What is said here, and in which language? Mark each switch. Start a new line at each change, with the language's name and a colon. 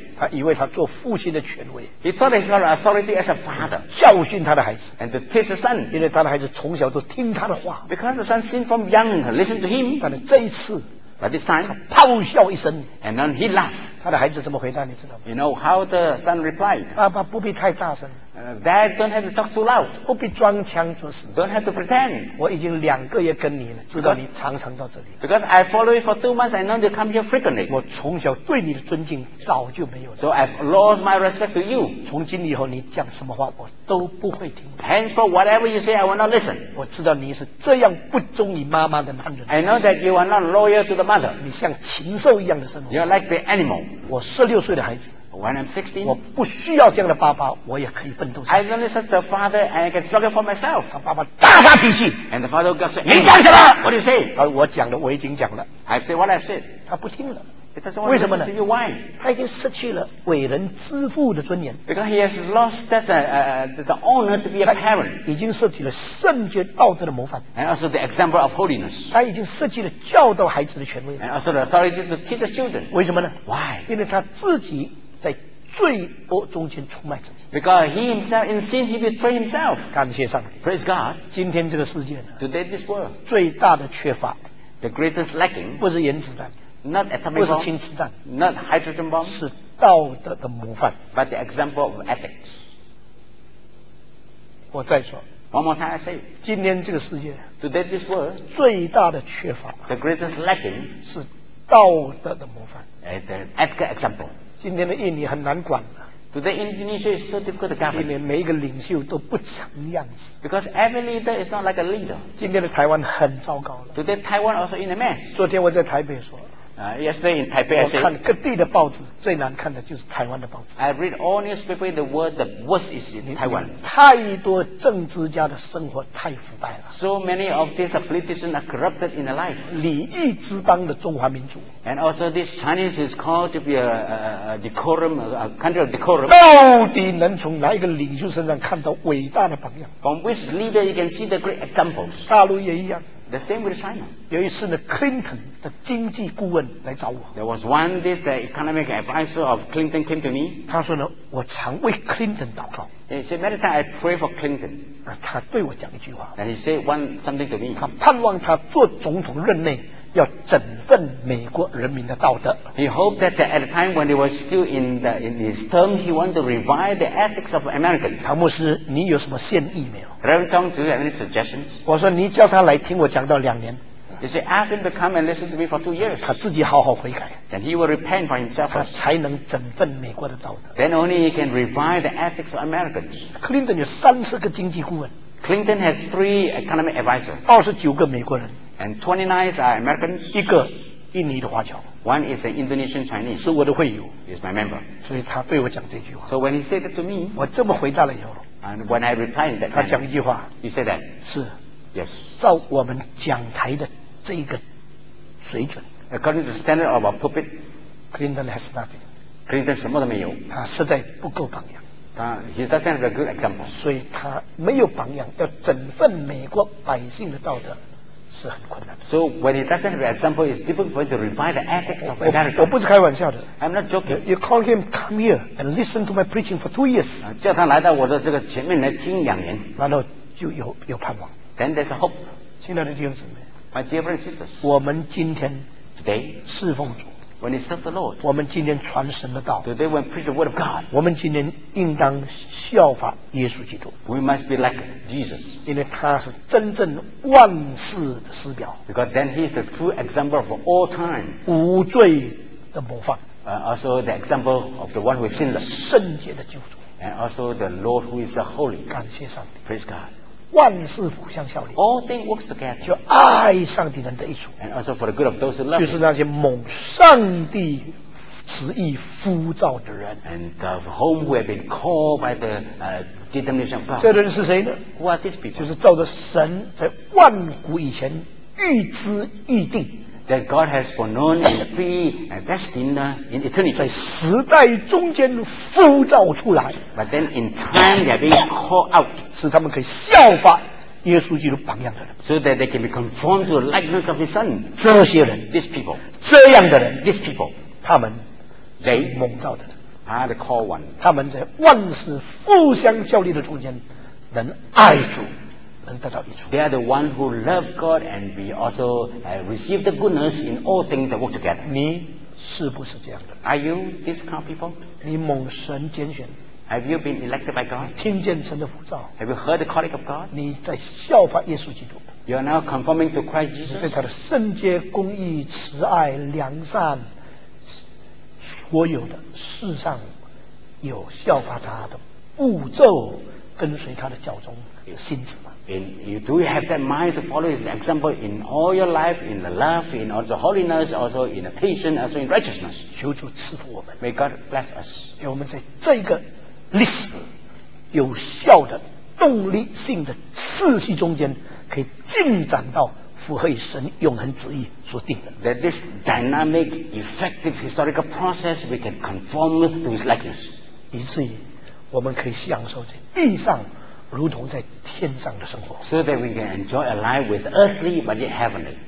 Chinese: 他以为他做父亲的权威
English: ，He thought he had authority as a father，
Chinese: 教训他的孩子
English: ，and to teach the son，
Chinese: 因为他的孩子从小都听他的话
English: ，because the son seen from young listen to him，
Chinese: 但是这一次
English: ，but this time，
Chinese: 他咆哮一声
English: ，and then he laughed，
Chinese: 他的孩子怎么回答你知道吗
English: ？You know how the son replied，
Chinese: 爸爸不必太大声
English: ，Dad don't have to talk too loud，
Chinese: 不必装腔作势
English: ，don't have to pretend，
Chinese: 我已经两个月跟你了，知道你常常到这里
English: ，because I follow you for 2 months and now you come here frequently，
Chinese: 我从小对你的尊敬早就没有。
English: So I've lost my respect to you.
Chinese: 从今以后，你讲什么话我都不会听。
English: Henceforth, whatever you say, I will not listen.
Chinese: 我知道你是这样不忠于妈妈的男人。
English: I know that you are not loyal to the mother.
Chinese: 你像禽兽一样的生活。
English: You're like the animal.
Chinese: 我16岁的孩子。
English: When I'm 16,
Chinese: 我不需要这样的爸爸，我也可以奋斗。
English: I don't need such a father, and I can struggle for myself.
Chinese: 他爸爸大发脾气。
English: And the father goes,
Chinese: 你讲什么
English: ？What do you say?
Chinese: 他说我讲的我已经讲了。
English: I've said what I've said.
Chinese: 他不听了。为什么呢？
English: Why?
Chinese: 他已经失去了伟人之父的尊严。
English: Because he has lost that the honor to be a parent.
Chinese: 已经失去了圣洁道德的模范。
English: And also the example of holiness.
Chinese: 他已经失去了教导孩子的权威。
English: And also the authority to teach the children.
Chinese: 为什么呢？
English: Why?
Chinese: 因为他自己在罪恶中间出卖自己。
English: Because he himself in sin he betrayed himself.
Chinese: 感谢上帝。
English: Praise God.
Chinese: 今天这个世界呢？
English: Today this world.
Chinese: 最大的缺乏。
English: The greatest lacking.
Chinese: 不是原子弹。
English: Not atomic bomb,
Chinese: 不是氢子弹
English: not hydrogen bomb,
Chinese: 是道德的模范
English: but the example of ethics.
Chinese: 我再说
English: one more time I say
Chinese: 今天这个世界
English: today this world
Chinese: 最大的缺乏
English: the greatest lacking
Chinese: 是道德的模范
English: the ethical example.
Chinese: 今天的印尼很难管
English: today Indonesia is so difficult to govern.
Chinese: 今天每一个领袖都不成样子
English: because every leader is not like a leader.
Chinese: 今天的台湾很糟糕了
English: today Taiwan also in a mess.
Chinese: 昨天我在台北说
English: Yesterday in Taipei,
Chinese: 我看各地的报纸，最难看的就是台湾的报纸。
English: I read all newspaper in the world. The worst is in Taiwan.
Chinese: 太多政治家的生活太腐败了。
English: So many of these politicians are corrupted in their life.
Chinese: 礼义之邦的中华民族。
English: And also this Chinese is called to be a decorum, a country of decorum.
Chinese: 到底能从哪一个领袖身上看到伟大的榜样
English: ？From which leader you can see the great examples?
Chinese: 大陆也一样。
English: The same with China.
Chinese: 有一次呢 ，Clinton 的经济顾问来找我。
English: There was one day the economic advisor of Clinton came to me.
Chinese: 他说呢，我常为 Clinton 祷告。
English: He said many times I pray for Clinton.
Chinese: 他对我讲一句话。
English: And he said one something to me.
Chinese: 他盼望他做总统任内要振奋美国人民的道德。
English: He hoped that at the time when he was still in his term, he wanted to revive the ethics of Americans.
Chinese: 唐牧师，你有什么建议没有？
English: Reverend Tong, do you have any suggestions?
Chinese: 我说你叫他来听我讲到两年。
English: He said, ask him to come and listen to me for 2 years.
Chinese: 他自己好好悔改。
English: Then he will repent for himself.
Chinese: 他才能振奋美国的道德。
English: Then only he can revive the ethics of Americans.
Chinese: Clinton 有30个经济顾问。
English: Clinton had 3 economic advisors.
Chinese: 29个美国人。
English: And 29 are Americans.
Chinese: 一个印尼的华侨。
English: One is an Indonesian Chinese.
Chinese: 是我的会友。
English: Is my member.
Chinese: 所以他对我讲这句话。
English: So when he said it to me,
Chinese: 我这么回答了以后。
English: And when I replied that,
Chinese: 他讲一句话。
English: He said that.
Chinese: 是。
English: Yes.
Chinese: 照我们讲台的这个水准。
English: According to the standard of our pulpit, Clinton has nothing.
Chinese: Clinton 什么都没有。他实在不够榜样。
English: He doesn't have a good example.
Chinese: 所以他没有榜样，要振奋美国百姓的道德。是很困难的。
English: So when he doesn't have an example, it's difficult for him to revive the ethics of America.
Chinese: 我不是开玩笑的。
English: I'm not joking. You call him come here and listen to my preaching for 2 years.
Chinese: 叫他来到我的这个前面来听两年。然后就有盼望。
English: Then there's a hope.
Chinese: 亲爱的弟兄姊妹。
English: My dear brothers and sisters.
Chinese: 我们今天
English: today
Chinese: 侍奉主。
English: When you serve the Lord.
Chinese: 我们今天传神的道。
English: Today when preach the word of God.
Chinese: 我们今天应当效法耶稣基督。
English: We must be like Jesus.
Chinese: 因为他是真正万世的师表。
English: Because then he is the true example of all time.
Chinese: 无罪的模范。
English: Also the example of the one who is sinless.
Chinese: 圣洁的救主。
English: And also the Lord who is the holy.
Chinese: 感谢上帝。
English: Praise God.
Chinese: 万事互相效力
English: All things works together
Chinese: 就爱上帝人的一处
English: And also for the good of those who love
Chinese: 就是那些蒙上帝旨意呼召的人
English: And of whom who have been called by the determination of God
Chinese: 这人是谁呢
English: Who are these people
Chinese: 就是照着神在万古以前预知预定
English: That God has foreknown and predestined in eternity
Chinese: 在时代中间呼召出来
English: But then in time they have been called out
Chinese: 使他们可以效法耶稣基督榜样的人
English: so that they can be conformed to the likeness of his son
Chinese: 这些人
English: these people
Chinese: 这样的人
English: these people
Chinese: 他们是蒙召的人
English: they are the called one
Chinese: 他们在万事互相效力的中间能爱主能得到益处
English: they are the one who love God and we also receive the goodness in all things that work together
Chinese: 你是不是这样的
English: are you this kind of people
Chinese: 你蒙神拣选
English: Have you been elected by God?
Chinese: 听见神的呼召。
English: Have you heard the calling of God?
Chinese: 你在效法耶稣基督。
English: You are now conforming to Christ Jesus.
Chinese: 在他的圣洁、公义、慈爱、良善，所有的世上有效法他的步骤，跟随他的教宗的心智吗？
English: Do you have that mind to follow His example in all your life, in the love, in all the holiness, also in the patience, also in righteousness?
Chinese: 求主赐福我们。
English: May God bless us.
Chinese: 给我们在这一个历史有效的动力性的次序中间可以进展到符合神永恒旨意所定的
English: that this dynamic effective historical process we can conform to his likeness
Chinese: 以至于我们可以享受在地上如同在天上的生活
English: so that we can enjoy a life with earthly but yet heavenly